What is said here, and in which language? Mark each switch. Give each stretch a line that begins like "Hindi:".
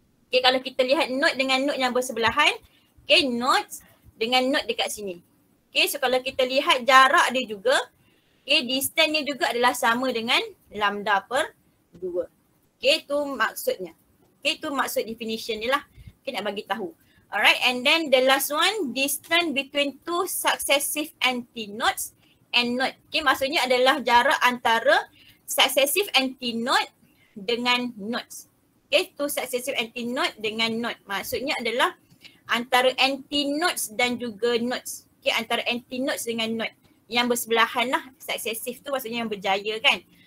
Malay: Okay, kalau kita lihat node dengan node yang bersebelahan. Okay, node dengan node dekat sini. Okay, so kalau kita lihat jarak dia juga, okay, distance dia juga adalah sama dengan lambda per 2. Okay, tu maksudnya. Okay, tu maksud definition ni lah. Okay, nak bagi tahu.
English: Alright, and then the last one, distance between two successive antinodes and node.
Malay: Okay, maksudnya adalah jarak antara successive antinode dengan nodes. Okay, two successive antinode dengan node. Maksudnya adalah antara antinodes dan juga nodes. Okay, antara antinodes dengan node yang bersebelahan lah, successive tu maksudnya yang berjaya kan.